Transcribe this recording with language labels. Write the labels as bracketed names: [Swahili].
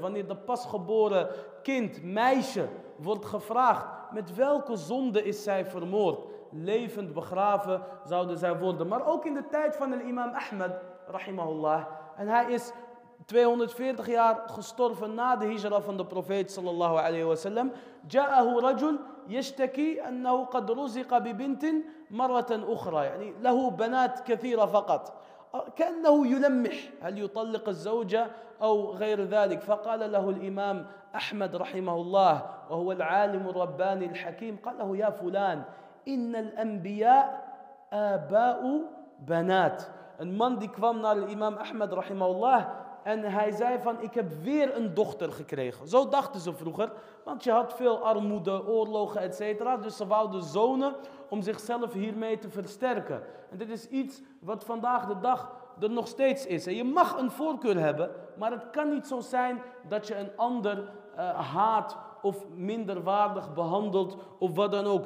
[Dutch] Wanneer de pasgeboren kind, meisje, wordt gevraagd met welke zonde is zij vermoord. Levend begraven zouden zij worden. Maar ook in de tijd van al-imam Ahmad, rahimahullah. En hij is 240 jaar gestorven na de hijra van de profeet, sallallahu alayhi wa sallam. [Arabic] جاءه رجل يشتكي أنه قد رزق ببنت مرة أخرى. يعني له بنات كثيرة فقط. كأنه يلمح هل يطلق الزوجة أو غير ذلك. فقال له الإمام أحمد رحمه الله وهو العالم الرباني الحكيم. قال له يا فلان إن الأنبياء آباء بنات. [Dutch] المن دي kwam naar الإمام أحمد رحمه الله. En hij zei van, ik heb weer een dochter gekregen. Zo dachten ze vroeger. Want je had veel armoede, oorlogen, et cetera. Dus ze wouden zonen om zichzelf hiermee te versterken. En dit is iets wat vandaag de dag er nog steeds is. En je mag een voorkeur hebben. Maar het kan niet zo zijn dat je een ander haat of minderwaardig behandelt. Of wat dan ook.